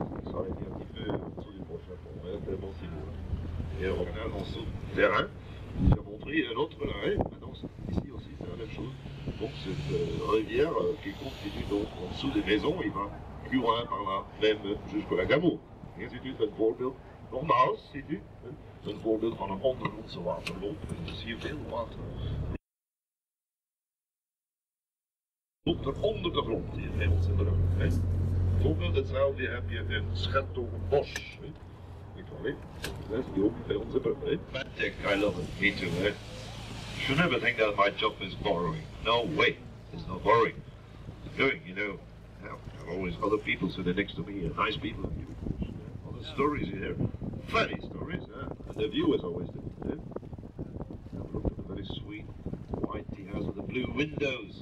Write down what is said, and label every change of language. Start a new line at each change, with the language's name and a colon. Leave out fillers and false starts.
French: S'arrêter un petit peu sur les prochains points. Ouais, vraiment, c'est bon. Et on revient dans ce terrain. J'ai montré un autre arrêt. Maintenant, ici aussi, c'est la même chose. Donc, cette rivière qui continue donc en dessous des maisons, il va plus loin par là, même jusqu'au lac Amour. Et c'est un voorbeeld.
Dutch: Normaal,
French: c'est un
Dutch: voorbeeld van een ondergrondse waterloop. Dus hier veel water. Loopt er onder de grond hier bij ons in de rug. Bijvoorbeeld hetzelfde heb je in Schertogenbosch. Weet je wel, hè? Dat is ook bij ons in de rug.
English: Fantastic, I love it. Me too, hè? You should never think that my job is borrowing. No way. It's not borrowing. It's doing, you know. There are always other people sitting next to me, nice people. Stories you hear, funny stories, and the view is always different. Eh? Have a look at the very sweet white tea house with the blue windows.